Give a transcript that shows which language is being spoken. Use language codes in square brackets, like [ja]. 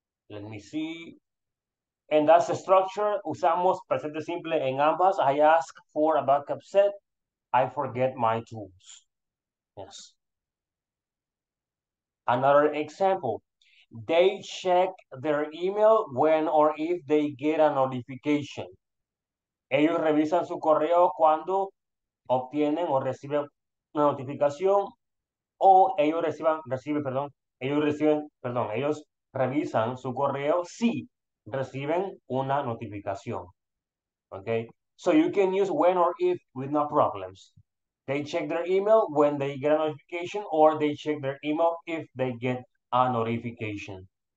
[en] Let me see. And that's the structure. [es] Usamos presente simple en ambas. [en] I ask for a backup set. I forget my tools. Yes. Another example, they check their email when or if they get a notification. [es] Ellos revisan su correo cuando obtienen o reciben una notificación o ellos ellos revisan su correo si reciben una notificación. [en] Okay? So you can use when or if with no problems. They check their email when they get a notification or they check their email if they get a notification.